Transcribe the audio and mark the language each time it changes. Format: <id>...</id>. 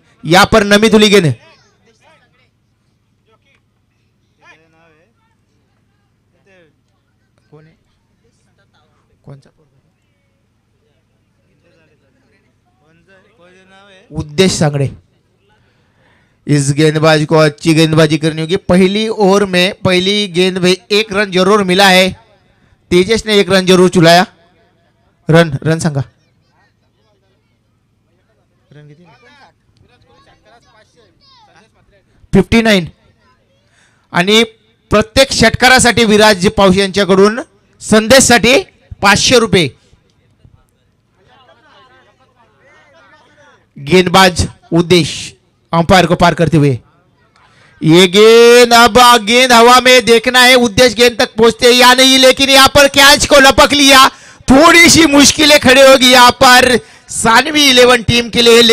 <hi>यहां पर नमित उली गेंद, उद्देश सांगड़े, इस गेंदबाज को अच्छी गेंदबाजी करनी होगी। पहली ओवर में पहली गेंद में एक रन जरूर मिला है, तेजेश ने एक रन जरूर चुलाया</hi> <mr>रन रन सांगा रन किती 59 आणि प्रत्येक षटकारासाठी विराज पावशी यांच्याकडून संदेशासाठी 500 रुपये.</mr> <hi>गेंदबाज उद्देश अंपायर को पार करते हुए ये गेंद अब गेंद हवा में देखना है उद्देश्य गेंद तक पहुंचते हैं या नहीं. लेकिन यहां पर कैच को लपक लिया. थोड़ी सी मुश्किलें खड़े होगी यहां पर सानवी 11 टीम के लिए.</hi>